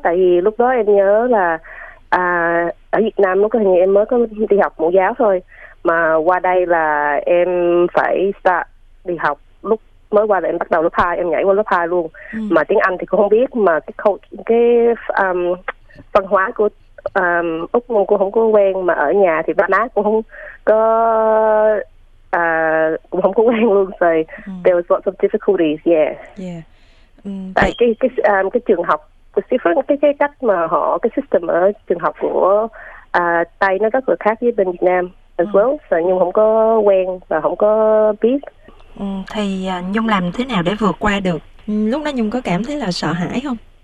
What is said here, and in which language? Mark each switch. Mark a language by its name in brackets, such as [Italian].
[Vietnamese] Tại vì lúc đó em nhớ là ở Việt Nam lúc đó em mới có đi học mẫu giáo thôi, mà qua đây là em phải start đi học. Lúc mới qua là em bắt đầu lớp 2, em nhảy qua lớp 2 luôn. Mà tiếng Anh thì cũng không biết, mà cái văn hóa của Úc cũng không có quen, mà ở nhà thì ba má cũng không có cũng không có quen luôn. [English] So there was lots of difficulties. [Vietnamese] Cái trường học, cái cách mà họ, cái system ở trường học của Tây nó rất là khác với bên Việt Nam [English] as well. [Vietnamese] So nhưng không có quen và không có biết. Thì Nhung làm thế nào để vượt qua được? Lúc đó Nhung có cảm thấy là sợ hãi không?